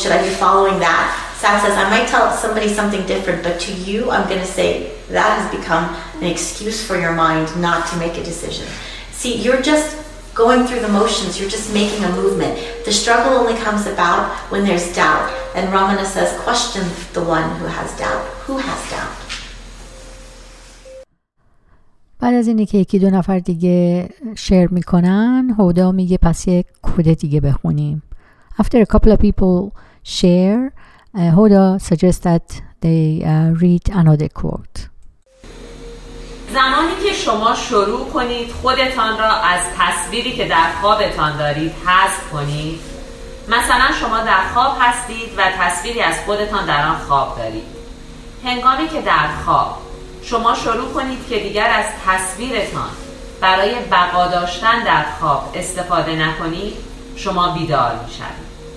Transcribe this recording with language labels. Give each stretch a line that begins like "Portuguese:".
English: Should I be following that? Sat says, I might tell somebody something different, but to you, I'm going to say that has become an excuse for your mind not to make a decision. See, you're just going through the motions. You're just making a movement. The struggle only comes about when there's doubt. And Ramana says, question the one who has doubt. Who has doubt?
Persian: بعد از اینه که یکی دو نفر دیگه شیر میکنن، هودا میگه پس یک کود دیگه بخونیم.
English: After a couple of people share, Hoda suggests that they read another quote.
Persian: زمانی که شما شروع کنید خودتان را از تصویری که در خوابتان دارید حذف کنید، مثلا شما در خواب هستید و تصویری از خودتان در آن خواب دارید. هنگامی که در خواب شما شروع کنید که دیگر از تصویرتان برای بقا داشتن در خواب استفاده نکنید، شما بیدار می شوید.